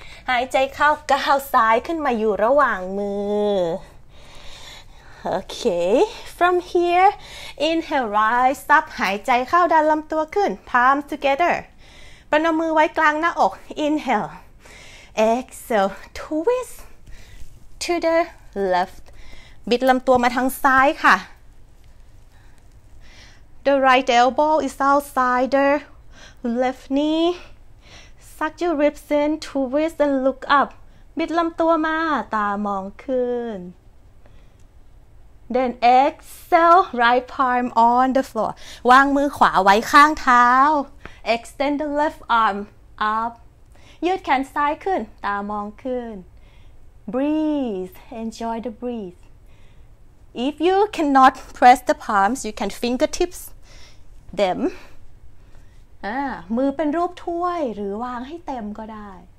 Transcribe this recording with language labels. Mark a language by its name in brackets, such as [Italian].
[Thai] หายใจเข้าก้าวซ้ายขึ้นมาอยู่ระหว่างมือโอเค [English] from here inhale rise up [Thai] หายใจเข้าดันลำตัวขึ้น [English] palms together [Thai] ประนมมือไว้กลางหน้าอก [English] inhale Exhale, twist to the left. [Thai] บิดลำตัวมาทางซ้ายค่ะ [English] The right elbow is outside the left knee. Suck your ribs in, twist and look up. [Thai] บิดลำตัวมาตามองขึ้น [English] Then exhale, right palm on the floor. [Thai] วางมือขวาไว้ข้างเท้า [English] Extend the left arm up. [Thai] ยืดแขนซ้ายขึ้นตามองขึ้น [English] breathe enjoy the breathe if you cannot press the palms you can fingertips them [Thai] มือเป็นรูปถ้วยหรือวางให้เต็มก็ได้